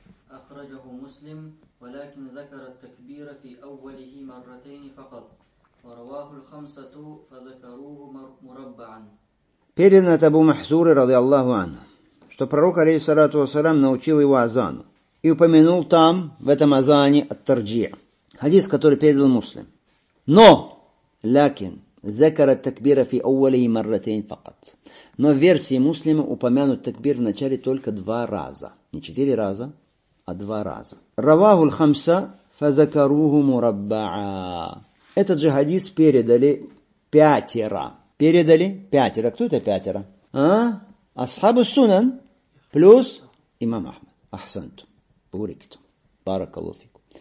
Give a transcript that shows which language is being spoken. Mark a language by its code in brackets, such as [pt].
[ar] أخرجه مسلم ولكن ذكر التكبير في أوله مرتين فقط ورواه الخمسة فذكروه مربعا. [ru] Передано от Абу Махзуры [ar] رضي الله عنه, [ru] что пророк алейхиссалату вассалям научил его азану и упомянул там в этом азане ат-тарджи', хадис, который передал Муслим. [ar] Но لكن ذكر التكبير في أوله مرتين فقط. [ru] Но в версии Муслима упомянут такбир в начале только два раза, не четыре раза, а два раза. [ar] Раваху л-хамса фазакаруху мураббаа. [ru] Этот же хадис передали пятеро. Передали пятеро. Кто это пятеро? А? Асхабу Сунан плюс имам Ахмад. [ar] Ахсанту. Буриктум. Баракаллаху фикум.